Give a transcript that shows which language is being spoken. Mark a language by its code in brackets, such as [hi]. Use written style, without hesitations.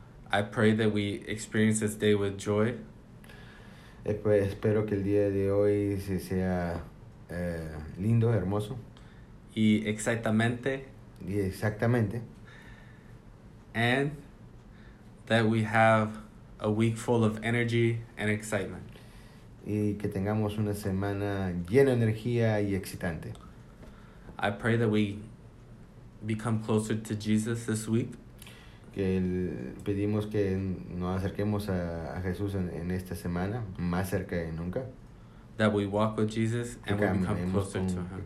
[en] I pray that we experience this day with joy. [es] Espero que el día de hoy sea lindo, hermoso. Y exactamente. Y exactamente. [en] And that we have a week full of energy and excitement. [es] Y que tengamos una semana llena de energía y excitante. [en] I pray that we become closer to Jesus this week. [es] Que pedimos que nos acerquemos a Jesús en esta semana, más cerca de nunca. [en] That we walk with Jesus and we become closer to him.